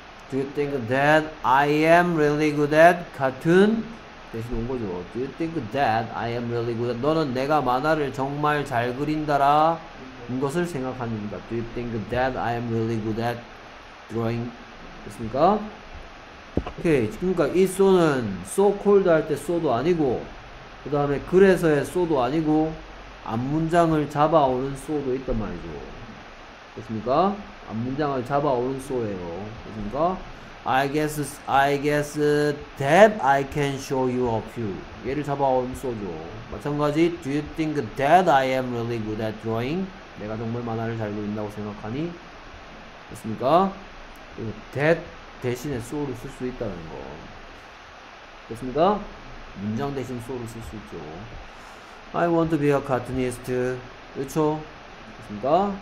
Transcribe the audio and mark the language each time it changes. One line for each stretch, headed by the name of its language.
English: 그 Do you think that I am really good at cartoon?
Korean: 대신 온 거죠.
English: Do you think that I am really good at?
Korean: 너는 내가 만화를 정말 잘 그린다라 것을 생각합니다.
English: Do you think that I am really good at drawing?
Korean: 됐습니까? 오케이. 그러니까 이 so는 so called 할때 so도 아니고, 그 다음에 그래서의 so도 아니고, 앞 문장을 잡아오는 so도 있단 말이죠. 됐습니까? 앞 문장을 잡아오는 so예요. 됐습니까?
English: I guess that I can show you a few.
Korean: 얘를 잡아온 소죠.
English: 마찬가지, Do you think that I am really good at drawing?
Korean: 내가 정말 만화를 잘 그린다고 생각하니? 됐습니까? That 대신에 소를 쓸수 있다는 거. 됐습니까? 문장 대신 소를 쓸수 있죠.
English: I want to be a cartoonist.
Korean: 그렇죠? 됐습니까?